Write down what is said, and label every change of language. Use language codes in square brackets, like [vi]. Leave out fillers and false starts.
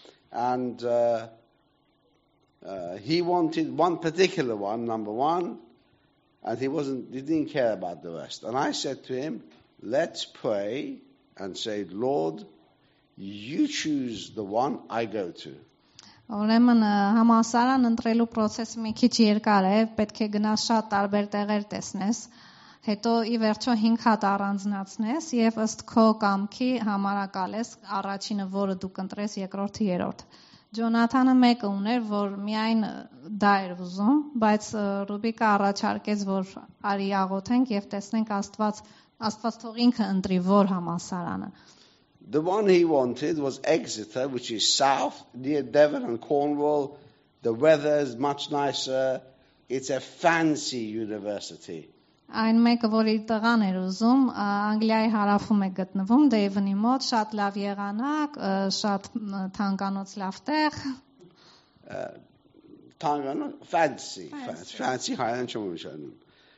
[en] And he wanted one particular one, number 1, and he didn't care about the rest. And I said to him, let's pray and say, Lord, you choose the one I go to. [hy] Ուրեմն համալսարան ընտրելու process-ը մի քիչ երկար է, պետք է գնաս շատ տարբեր տեղեր տեսնես, հետո ի վերջո 5 հատ առանձնացնես եւ ըստ քո կամքի համարակալես առաջինը, որը դու կընտրես, երկրորդը, երրորդ։ Ջոնաթանը մեկը ուներ, որ միայն դա էր ուզում, բայց Ռուբիկը առաջարկեց, որ արի աղոթենք եւ տեսնենք Աստված թող ինքը ընտրի որ համալսարանը։ [en] The one he wanted was Exeter, which is south, near Devon and Cornwall. The weather is much nicer. It's a fancy university. [hy] Այն մեկը, որ իր տղան էր ուզում, Անգլիայի հարավում է գտնվում, Devon-ի մոտ, շատ լավ եղանակ, շատ թանկանոց լավ տեղ. Թանկանոց, [en] fancy, fancy, high end [hy] չեմ ուշանում.